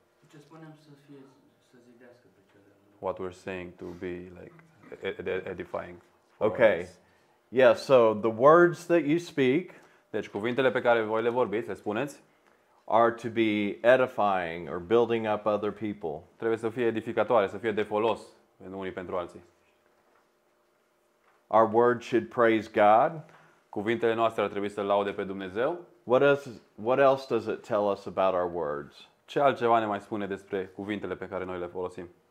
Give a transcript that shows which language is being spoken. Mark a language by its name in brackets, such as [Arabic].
[Romanian] Ce spunem să fie să zidească pe celălalt. [English] What we're saying to be like edifying. Okay. Yeah, so the words that you speak, [Romanian] deci cuvintele pe care voi le vorbiți, le spuneți, [English] are to be edifying or building up other people. [Romanian] Trebuie să fie edificatoare, să fie de folos unii pentru alții. [English] Our words should praise God. [Romanian] Cuvintele noastre ar trebui să laude pe Dumnezeu. [English] What else does it tell us about our words? [Romanian] Ce altceva ne mai spune despre cuvintele pe care noi le folosim?